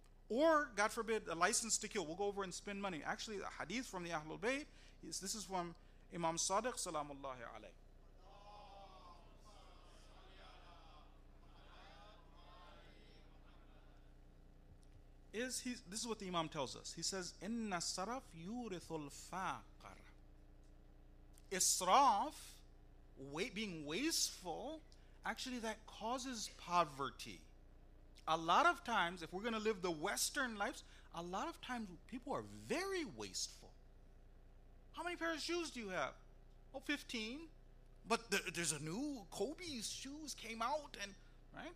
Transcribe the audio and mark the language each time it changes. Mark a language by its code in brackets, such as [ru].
[en] Right? Or, God forbid, a license to kill. We'll go over and spend money. Actually, the hadith from the Ahlul Bayt, this is from Imam Sadiq, salamullahi alayhi. This is what the Imam tells us. [ar] He says, إِنَّ السَّرَفْ يُورِثُ الْفَاقَرَ. [en] Israf, being wasteful, actually that causes poverty. A lot of times, if we're going to live the Western lives, a lot of times people are very wasteful. How many pairs of shoes do you have? Oh, 15. But there's a new Kobe's shoes came out, and right?